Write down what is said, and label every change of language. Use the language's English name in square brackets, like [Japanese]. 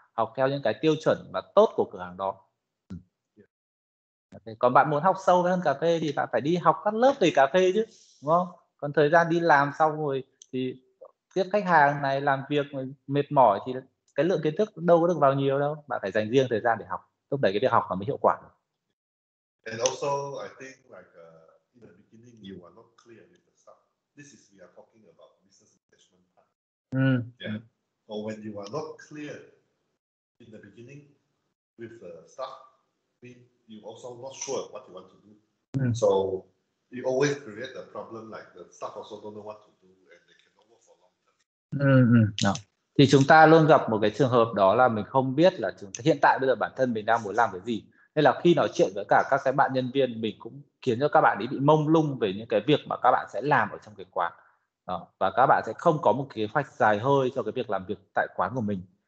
[Vietnamese] học theo những cái tiêu chuẩn và tốt của cửa hàng đó. Okay. Còn bạn muốn học sâu hơn cà phê thì bạn phải đi học các lớp về cà phê chứ, đúng không? Còn thời gian đi làm xong rồi thì tiếp khách hàng này, làm việc mệt mỏi thì cái lượng kiến thức đâu có được vào nhiều đâu. Bạn phải dành riêng thời gian để học, thúc đẩy cái việc học nó mới hiệu quả. [English] And also, I think like in the beginning, you are not clear with the stuff. This is we are talking about business management part. Yeah. But when you are not clear in the beginning with the stuff, you also not sure what you want to do. So you always create the problem like the stuff also don't know what to do and they cannot work for long term. [Vietnamese] Thì chúng ta luôn gặp một cái trường hợp đó là mình không biết là chúng ta, hiện tại bây giờ bản thân mình đang muốn làm cái gì. Nên là khi nói chuyện với cả các cái bạn nhân viên, mình cũng khiến cho các bạn ấy bị mông lung về những cái việc mà các bạn sẽ làm ở trong cái quán. Đó. Và các bạn sẽ không có một kế hoạch dài hơi cho cái việc làm việc tại quán của mình.